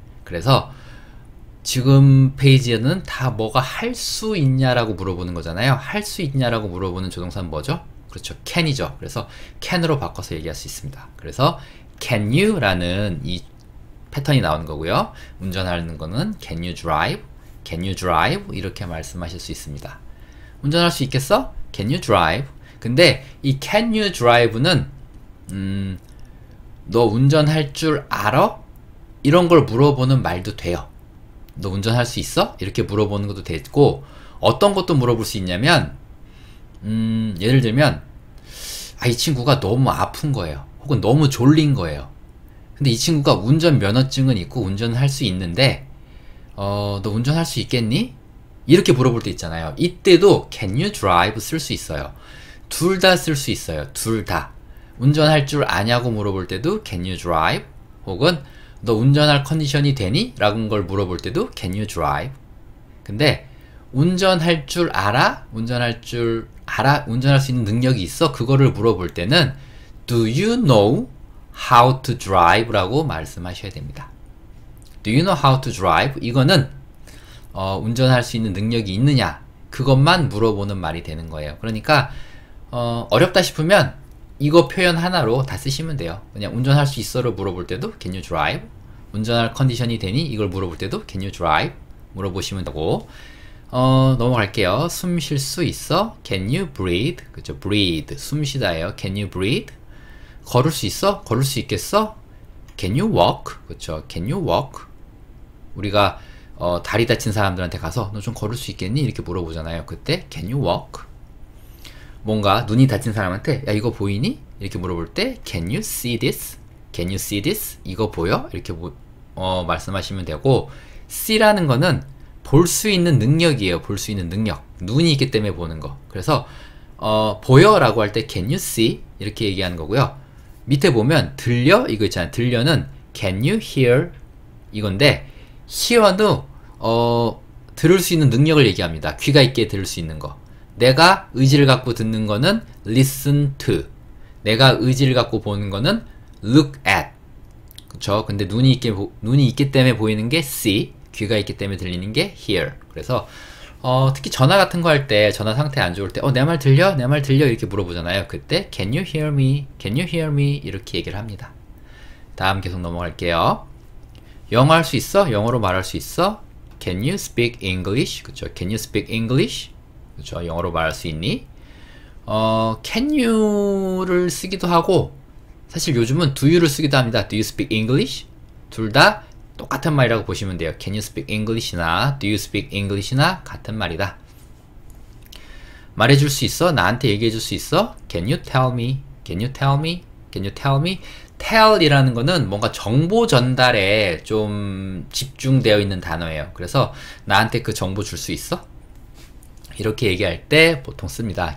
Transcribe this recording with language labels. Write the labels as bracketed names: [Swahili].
[Korean] 그래서 지금 페이지에는 다 뭐가 할 수 있냐라고 물어보는 거잖아요. 할 수 있냐라고 물어보는 조동사는 뭐죠? 그렇죠. can이죠. 그래서 can으로 바꿔서 얘기할 수 있습니다. 그래서 can you라는 이 패턴이 나오는 거고요. 운전하는 거는 [English] can you drive? can you drive? [Korean] 이렇게 말씀하실 수 있습니다. 운전할 수 있겠어? [English] can you drive? [Korean] 근데 이 can you drive는 너 운전할 줄 알아? 이런 걸 물어보는 말도 돼요. 너 운전할 수 있어? 이렇게 물어보는 것도 되고 어떤 것도 물어볼 수 있냐면 예를 들면 아, 이 친구가 너무 아픈 거예요. 혹은 너무 졸린 거예요. 근데 이 친구가 운전 면허증은 있고 운전을 할 수 있는데 너 운전할 수 있겠니? 이렇게 물어볼 때 있잖아요. 이때도 [English] can you drive [Korean] 쓸 수 있어요. 둘 다 쓸 수 있어요. 둘 다. 운전할 줄 아냐고 물어볼 때도 [English] can you drive? [Korean] 혹은 너 운전할 컨디션이 되니? 라는 걸 물어볼 때도 [English] can you drive? [Korean] 근데 운전할 줄 알아? 운전할 줄 알아? 운전할 수 있는 능력이 있어? 그거를 물어볼 때는 [English] do you know how to drive? [Korean] 라고 말씀하셔야 됩니다. [English] Do you know how to drive? [Korean] 이거는 운전할 수 있는 능력이 있느냐? 그것만 물어보는 말이 되는 거예요. 그러니까 어렵다 싶으면 이거 표현 하나로 다 쓰시면 돼요. 그냥 운전할 수 있어를 물어볼 때도 [English] can you drive? [Korean] 운전할 컨디션이 되니? 이걸 물어볼 때도 [English] can you drive? [Korean] 물어보시면 되고 넘어갈게요. 숨 쉴 수 있어? [English] can you breathe? [Korean] 그쵸? breathe 숨 쉬다예요. [English] can you breathe? [Korean] 걸을 수 있어? 걸을 수 있겠어? [English] can you walk? 그쵸? can you walk? [Korean] 우리가 다리 다친 사람들한테 가서 너 좀 걸을 수 있겠니? 이렇게 물어보잖아요. 그때 [English] can you walk? [Korean] 뭔가 눈이 다친 사람한테 야 이거 보이니? 이렇게 물어볼 때 [English] Can you see this? Can you see this? [Korean] 이거 보여? 이렇게 말씀하시면 되고 see라는 거는 볼 수 있는 능력이에요. 볼 수 있는 능력. 눈이 있기 때문에 보는 거. 그래서 보여? 라고 할 때 [English] Can you see? [Korean] 이렇게 얘기하는 거고요. 밑에 보면 들려? 이거 있잖아요. 들려는 [English] Can you hear? [Korean] 이건데 hear도 들을 수 있는 능력을 얘기합니다. 귀가 있게 들을 수 있는 거. 내가 의지를 갖고 듣는 거는 listen to. 내가 의지를 갖고 보는 거는 look at. 그쵸? 근데 눈이 있기 때문에 보이는 게 see. 귀가 있기 때문에 들리는 게 hear. 그래서 특히 전화 같은 거할 때, 전화 상태 안 좋을 때, 내말 들려? 내말 들려? 이렇게 물어보잖아요. 그때, [English] Can you hear me? Can you hear me? [Korean] 이렇게 얘기를 합니다. 다음 계속 넘어갈게요. 영어 할수 있어? 영어로 말할 수 있어? [English] Can you speak English? [Korean] 그쵸. [English] Can you speak English? [Korean] 그쵸. 영어로 말할 수 있니? Can you를 쓰기도 하고, 사실 요즘은 do you를 쓰기도 합니다. [English] Do you speak English? [Korean] 둘다 똑같은 말이라고 보시면 돼요. [English] Can you speak English [Korean] 나 [English] do you speak English [Korean] 나 같은 말이다. 말해줄 수 있어? 나한테 얘기해줄 수 있어? [English] Can you tell me? Can you tell me? Can you tell me? [Korean] Tell이라는 거는 뭔가 정보 전달에 좀 집중되어 있는 단어예요. 그래서 나한테 그 정보 줄수 있어? 이렇게 얘기할 때 보통 씁니다.